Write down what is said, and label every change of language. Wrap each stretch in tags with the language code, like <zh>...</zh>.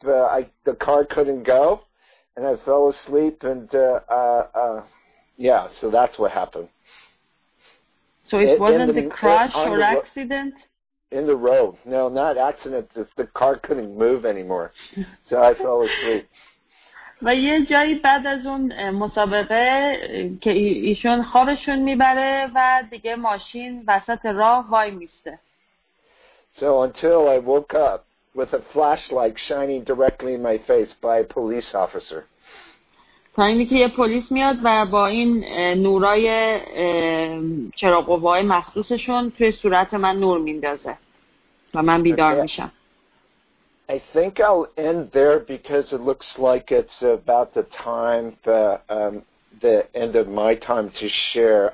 <en>The car couldn't go, and I fell asleep. And so that's what happened. So it wasn't the crash or accident. In the road. No, not accident. Just the car couldn't move anymore, so I fell asleep.</en> <fa>و یه جایی بعد از اون مسابقه که ایشون خوابشون میبره و دیگه ماشین وسط راه وای میسته.</fa> <en>So until I woke up with a flashlight shining directly in my face by a police officer.</en> <fa>تا اینی که یه پلیس میاد و با این نورای چراغ‌قوه‌های مخصوصشون توی صورت من نور میندازه و من بیدار میشم.</fa> <en>I think I'll end there because it looks like it's about the time the end of my time to share.</en>